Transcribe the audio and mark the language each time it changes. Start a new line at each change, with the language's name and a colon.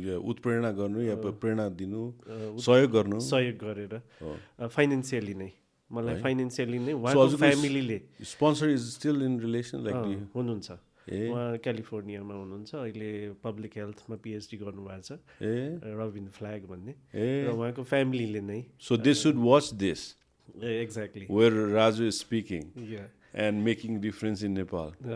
Nepali: उत्प्रेरणा गर्नु या प्रेरणा दिनु, सहयोग गर्नु, सहयोग गरेर फाइनेन्सियली नै, मलाई फाइनेन्सियली नै उहाँको फ्यामिलीले.
English: sponsor is still in relation like
Nepali: हुनुहुन्छ, उहाँ क्यालिफोर्नियामा हुनुहुन्छ, अहिले पब्लिक हेल्थमा पिएचडी गर्नुभएको छ, रबिन फ्ल्याग भन्ने, र उहाँको फ्यामिलीले नै.
English: So they should watch this. Exactly. Where Raju is speaking and making difference in Nepal.